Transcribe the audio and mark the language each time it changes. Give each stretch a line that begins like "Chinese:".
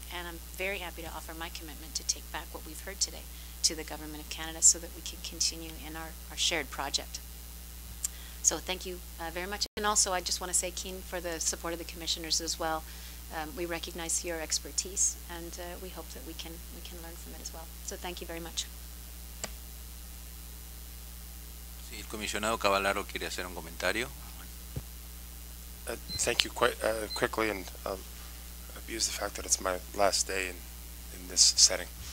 English: And I'm very happy to offer my commitment to take back what we've heard today to the Government of Canada so that we can continue in our shared project. So thank you very much. And also, I just want to say, keen for the support of the commissioners as well. We recognize your expertise, and we hope that we can learn from it as well. So thank you very much.
Spanish: Sí, el comisionado Cavallaro quiere hacer un comentario.
English: Thank you quickly, and I'll abuse the fact that it's my last day in this setting.